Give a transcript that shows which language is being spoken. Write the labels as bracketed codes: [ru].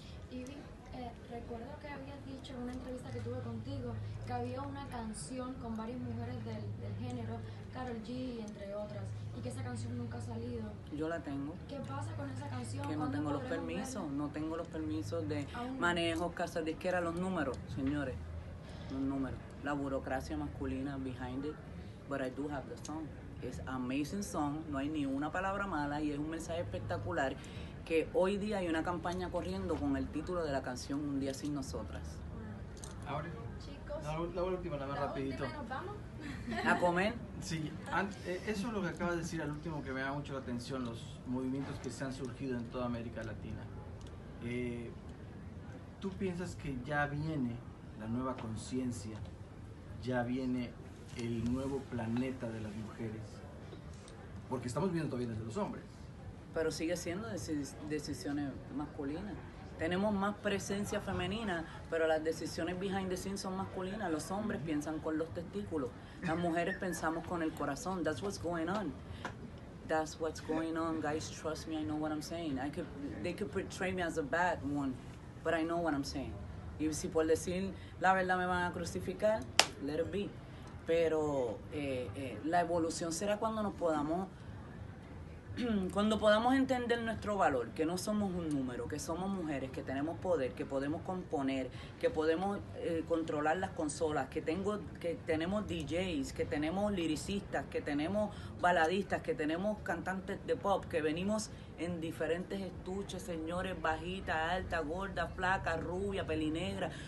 [es] Ivy, recuerdo que habías dicho en una entrevista que tuve contigo que había una canción con varias mujeres del género, Karol G, entre otras, y que esa canción nunca ha salido. Yo la tengo. ¿Qué pasa con esa canción? Que no tengo los permisos, verla? No tengo los permisos de manejo, casa disquera, los números, señores, los números. La burocracia masculina [en] behind it, but I do have the song. It's an amazing song, [es] no hay ni una palabra mala y es un mensaje espectacular que hoy día hay una campaña corriendo con el título de la canción Un Día Sin Nosotras. Ahora, chicos, la última, rapidito. ¿A comer? Sí, eso es lo que acaba de decir al último que me da mucho la atención, los movimientos que se han surgido en toda América Latina. ¿Tú piensas que ya viene la nueva conciencia? Ya viene el nuevo planeta de las mujeres, porque estamos viendo todavía desde los hombres. Pero sigue siendo decisiones masculinas. Tenemos más presencia femenina, pero las decisiones [en] behind the scenes [es] son masculinas. Los hombres piensan con los testículos, las mujeres pensamos con el corazón. [en] That's what's going on. That's what's going on, guys. Trust me, I know what I'm saying. They could portray me as a bad one, but I know what I'm saying. [es] Y si por decir la verdad me van a crucificar, [en] let it be. [es] Pero la evolución será cuando nos podamos, cuando podamos entender nuestro valor, que no somos un número, que somos mujeres, que tenemos poder, que podemos componer, que podemos controlar las consolas, que tenemos DJs, que tenemos lyricistas, que tenemos baladistas, que tenemos cantantes de pop, que venimos en diferentes estuches, señores, bajita, alta, gorda, flaca, rubia, pelinegra.